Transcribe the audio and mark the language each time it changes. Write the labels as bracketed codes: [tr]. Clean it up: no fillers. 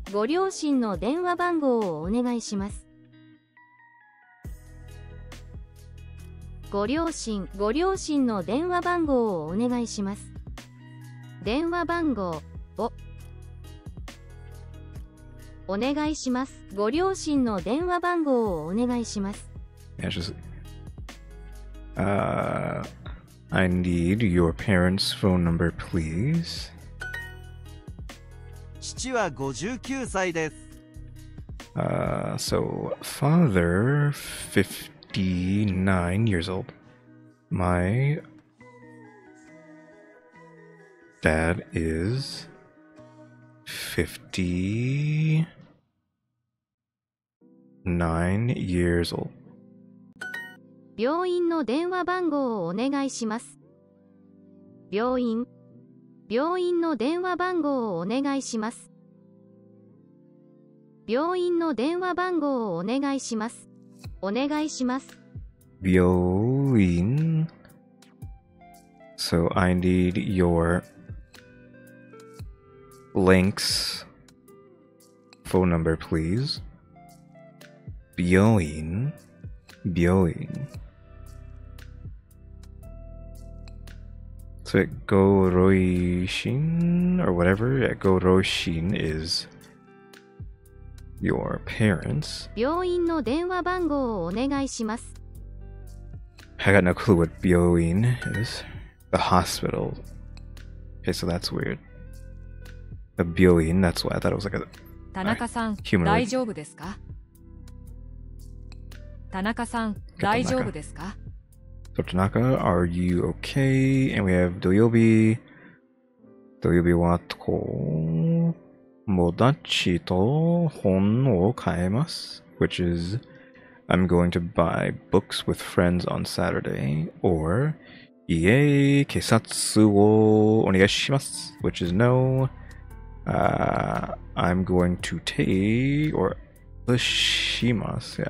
[ja] ご両親の電話番号をお願いします。電話番号をお願いします。ご両親の電話番号をお願いします。 [en] Yeah, it's just, I need your parents' phone number, please. [ja] 父は59歳です。 [en] So, father, 59 years old. My That is 59 years old. [ja] 病院の電話番号をお願いします。病院、病院の電話番号をお願いします。病院の電話番号をお願いします。お願いします。病院。 [en] So I need your links, phone number, please. [ja] 病院、病院。 [en] So it goroshin or whatever, yeah, goroshin is your parents. [ja] 病院の電話番号をお願いします。 [en] I got no clue what 病院 is. The hospital. Okay, so that's weird. The 病院, that's why I thought it was like a humanoid. [ja] 田中さん、大丈夫ですか? 田中さん、大丈夫ですか? [en] So Tanaka, are you okay? And we have Doyobi. [ja] Doyobi wa to modachi to hon wo kaemasu, [en] which is I'm going to buy books with friends on Saturday, or [ja] ie keisatsu wo onegaishimasu, [en] which is no, I'm going to take or ushimasu.